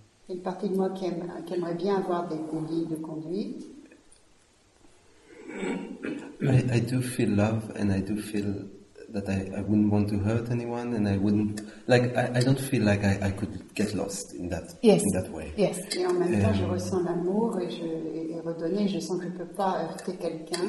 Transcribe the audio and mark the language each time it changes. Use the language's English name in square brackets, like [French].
[French] Une partie de moi qui aimerait bien avoir des conseils de conduite. [English] I do feel love, and I do feel that I wouldn't want to hurt anyone, and I wouldn't like. I don't feel like I could get lost in that. Yes. In that way. Yes. [French] Et en même temps, je ressens l'amour et redonner. Je sens que je peux pas heurter quelqu'un.